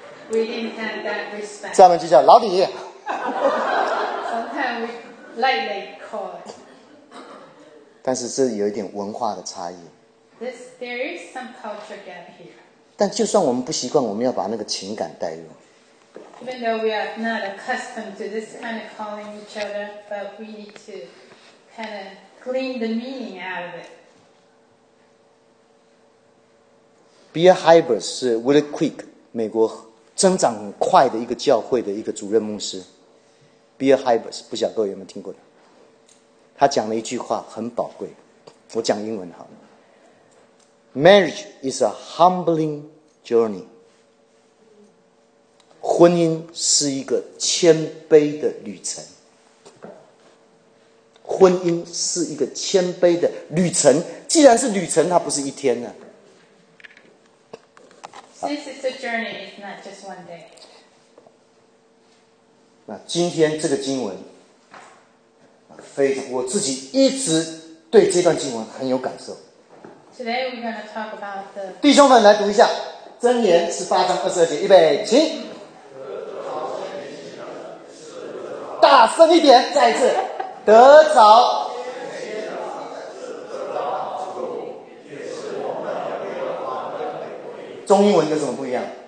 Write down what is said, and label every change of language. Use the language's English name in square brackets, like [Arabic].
[English] We didn't have that respect. [Chinese] 下面就叫老李。 [English] Sometimes we lightly call. [Chinese] 但是这有一点文化的差异。 [English] There is some culture gap here. [Chinese] 但就算我们不习惯，我们要把那个情感带入。 [English] Even though we are not accustomed to this kind of calling each other, but we need to kind of clean the meaning out of it. [Chinese] Bill Hybels 是 Willie Quick 美国增长很快的一个教会的一个主任牧师。 Bill Hybels 不晓得各位有没有听过的，他讲了一句话很宝贵，我讲英文好了。 [English] Marriage is a humbling journey. [Chinese] 婚姻是一个谦卑的旅程。婚姻是一个谦卑的旅程。既然是旅程，它不是一天呢。 [English] Since it's a journey, it's not just one day. [Chinese] 那今天这个经文，非常，我自己一直对这段经文很有感受。 [English] Today we're going to talk about the... [Chinese] 弟兄们来读一下箴言十八章二十二节，预备起，大声一点，再一次，得着中英文有什么不一样？